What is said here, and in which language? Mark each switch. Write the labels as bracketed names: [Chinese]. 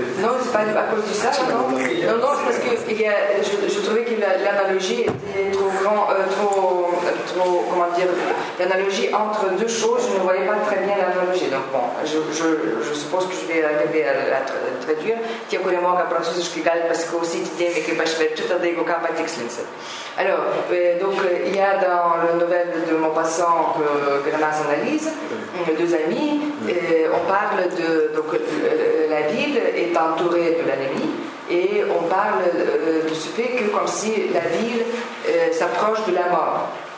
[French] Non, c'est pas à cause de ça, non. Non, non, c'est parce que je trouvais que l'analogie était trop grand, trop, comment dire, l'analogie entre deux choses, je ne voyais pas très bien l'analogie. Donc bon, je suppose que je vais arriver à la traduire. [Lithuanian] Tie, kurie moka prancūziškai, gali pasiklausyti tėvė, kaip aš verčiu, tada jeigu ką patikslinsit. [French] Alors, donc, il y a dans le nouvel de Maupassant que Grenas analyse, deux amis, on parle de donc, la ville est entourée de l'ennemi, et on parle de ce fait que comme si la ville s'approche de la mort.